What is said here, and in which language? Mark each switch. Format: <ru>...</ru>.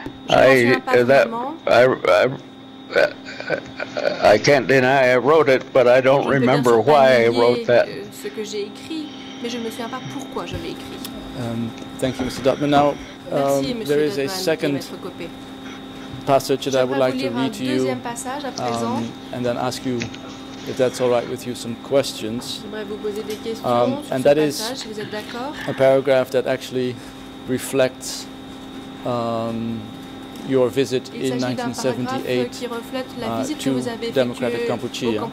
<en>I can't deny I wrote it, but I don't remember why I wrote that.</en> <fr>Ce que j'ai écrit, mais je me souviens pas pourquoi je l'ai écrit.</fr> <en>Thank you, Mr. Dudman. Now, there is a second passage that I would like to read to you, and then ask you, if that's all right with you, some questions. And that is a paragraph that actually reflects your visit in 1978 to Democratic Kampuchea.</en>